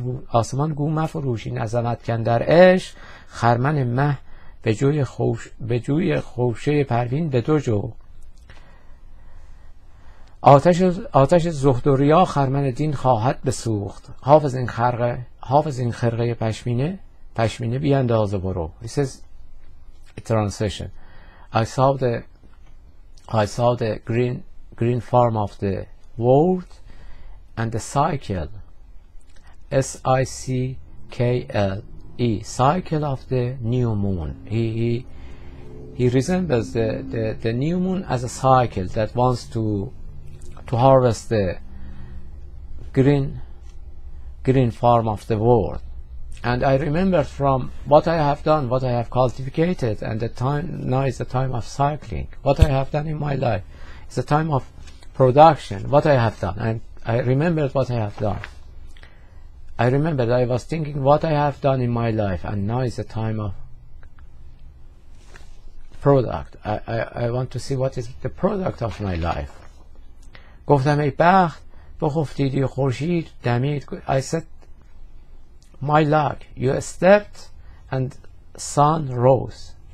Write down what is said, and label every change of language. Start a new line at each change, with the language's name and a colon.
Persian: آسمان گو مفروشین عظمت کن در اش خرمن مه به جوی خوشه پروین به دو جو. آتش زهد و ریا خرمن دین خواهد بسوخت. حافظ این خرقه پشمینه بیانداز برو.
English: This is a translation. I saw the green form of the world and the cycle. S-I-C-K-L-E. Cycle of the new moon. He resembles the new moon as a cycle that wants to harvest the green farm of the world. And I remember from what I have done, what I have cultivated, and the time now is the time of cycling. What I have done in my life is the time of production. What I have done, and I remembered what I have done. I remembered I was thinking what I have done in my life, and now is the time of product. I want to see what is the product of my life.
Persian: گفتم ای بخت بخفتیدی و خورشید دمید.
English: I said my luck, you stepped and sun rose.